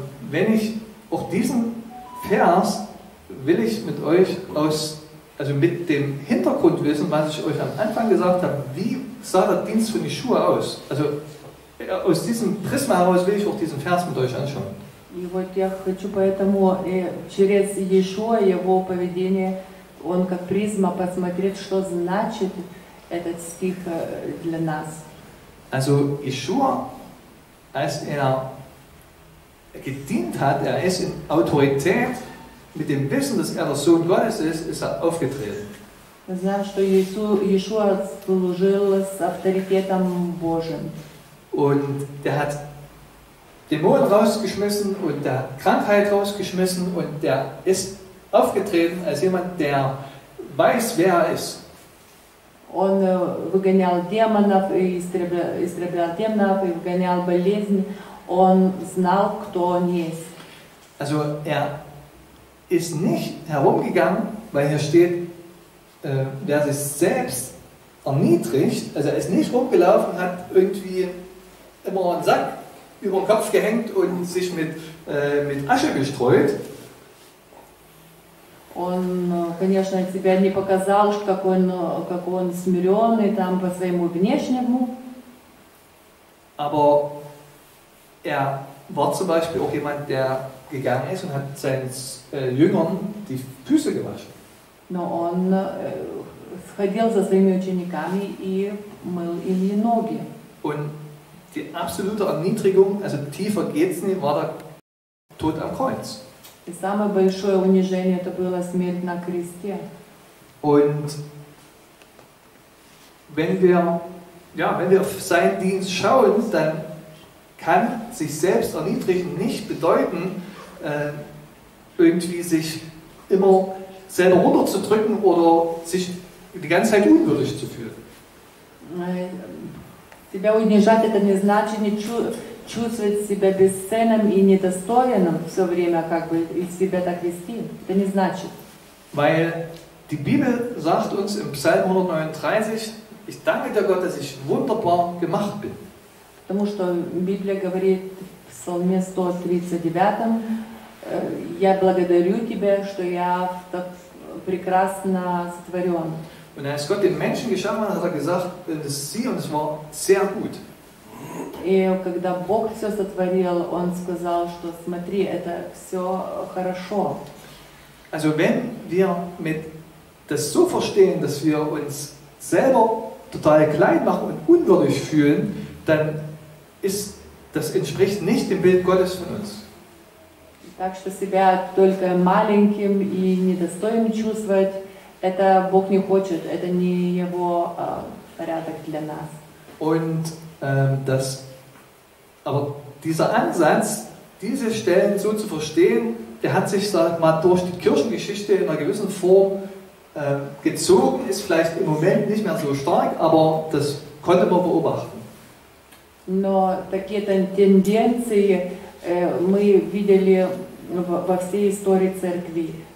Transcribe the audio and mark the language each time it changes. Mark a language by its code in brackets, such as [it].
[de] Wenn ich auch diesen Vers will ich mit euch aus, also mit dem Hintergrund wissen, was ich euch am Anfang gesagt habe, wie sah der Dienst von Yeshua aus? Also, aus diesem Prisma heraus will ich auch diesen Vers mit euch anschauen. [ru] И вот я хочу поэтому через Иешуа его поведение, он как призма посмотреть, что значит этот стих для нас. [de] Also Иешуа, als er gedient hat, er ist in Autorität mit dem Wissen, dass er der Sohn Gottes ist, ist er aufgetreten. [ru] Знаем, что Иешуа служил с авторитетом Божьим. [de] Und der hat Dämonen rausgeschmissen und der Krankheit rausgeschmissen und der ist aufgetreten als jemand, der weiß, wer er ist. [ru] Он выгонял демонов и истреблял демонов и выгонял болезни. Он знал, кто он есть. [de] Also er ist nicht herumgegangen, weil hier steht, der sich selbst erniedrigt. Also er ist nicht rumgelaufen, hat irgendwie immer einen Sack über den Kopf gehängt und sich mit Asche gestreut. [ru] Он, конечно, тебя не показал, как он смиренный там по своему внешнему. [de] Aber er war zum Beispiel auch jemand, der gegangen ist und hat seinen Jüngern die Füße gewaschen. [ru] Но он ходил за своими учениками и мыл им ноги. [de] Und die absolute Erniedrigung, also tiefer geht's nicht, war der Tod am Kreuz. [ru] И самое большое унижение это было смерть на кресте. [de] Und wenn wir ja, wenn wir auf seinen Dienst schauen, dann kann sich selbst erniedrigen nicht bedeuten, irgendwie sich immer selber runterzudrücken oder sich die ganze Zeit unwürdig zu fühlen. [ru] Себя унижать это не значит не чувствовать себя бесценным и недостойным все время как бы и себя так вести. Это не значит. [de] Weil die Bibel sagt uns im Psalm 139, ich danke dir Gott, dass ich wunderbar gemacht bin. [ru] Потому что Библия говорит в Псалме 139, я благодарю тебя, что я так прекрасно сотворен. [de] Und als Gott den Menschen geschaffen hat, hat er gesagt, das ist sie und es war sehr gut. [ru] И когда Бог все сотворил, он сказал, что смотри, это все хорошо. [de] Also wenn wir mit das so verstehen, dass wir uns selber total klein machen und unwürdig fühlen, dann ist das entspricht nicht dem Bild Gottes von uns. [ru] Так что себя только маленьким и недостойным чувствовать, это Бог не хочет, это не его порядок для нас. [de] Und das, aber dieser Ansatz, diese Stellen so zu verstehen, der hat sich sag mal durch die Kirchengeschichte in einer gewissen Form gezogen, ist vielleicht im Moment nicht mehr so stark, aber das konnte man beobachten. [ru] Но такие тенденции мы видели во всей истории церкви.